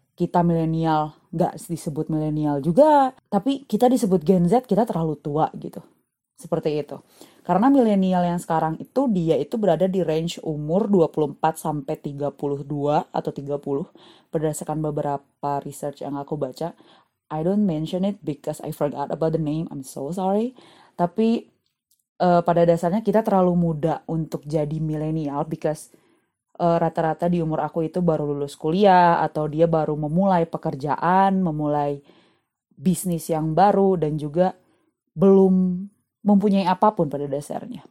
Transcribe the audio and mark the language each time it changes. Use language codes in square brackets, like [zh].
[id] kita milenial nggak disebut milenial juga, tapi kita disebut Gen Z, kita terlalu tua gitu. Seperti itu. Karena milenial yang sekarang itu, dia itu berada di range umur 24 sampai 32 atau 30 berdasarkan beberapa research yang aku baca. [en] I don't mention it because I forgot about the name, I'm so sorry. [id] Tapi pada dasarnya kita terlalu muda untuk jadi milenial because rata-rata di umur aku itu baru lulus kuliah atau dia baru memulai pekerjaan, memulai bisnis yang baru dan juga belum mempunyai apapun pada dasarnya.